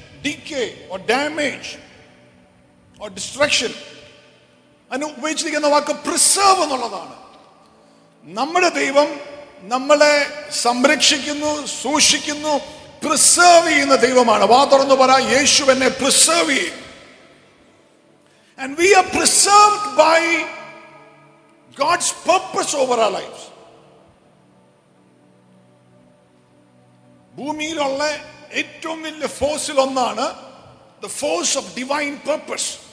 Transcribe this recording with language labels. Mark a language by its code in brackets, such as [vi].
[en] decay or damage or destruction. [ml] അതിന് ഉപയോഗിച്ചിരിക്കുന്ന വാക്ക് preserve എന്നുള്ളതാണ്. നമ്മുടെ ദൈവം നമ്മളെ സംരക്ഷിക്കുന്നു, സൂക്ഷിക്കുന്നു, പ്രിസേർവ് ചെയ്യുന്ന ദൈവമാണ്. വാ തുറന്നു പറ, യേശു എന്നെ പ്രിസേർവ് ചെയ്യും. [en] And we are preserved by God's purpose over our lives. [ml] ഭൂമിയിലുള്ള ഏറ്റവും വലിയ ഫോഴ്സിൽ ഒന്നാണ് [en] the force of divine purpose.